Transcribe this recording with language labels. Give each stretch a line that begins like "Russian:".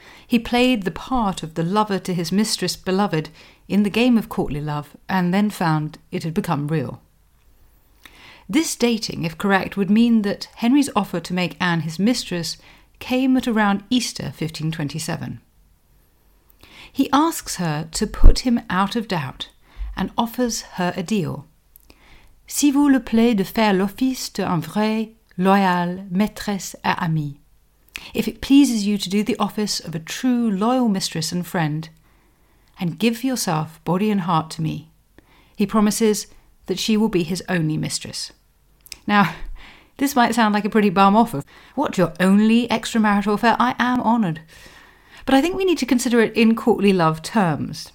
English: He played the part of the lover to his mistress beloved in the game of courtly love, and then found it had become real. This dating, if correct, would mean that Henry's offer to make Anne his mistress came at around Easter 1527. He asks her to put him out of doubt and offers her a deal.
French: Si vous le plaît de faire l'office d'un vrai, loyal maîtresse et ami.
English: If it pleases you to do the office of a true, loyal mistress and friend, and give yourself body and heart to me. He promises that she will be his only mistress. Now, this might sound like a pretty bum offer. What, your only extramarital affair? I am honoured. But I think we need to consider it in courtly love terms.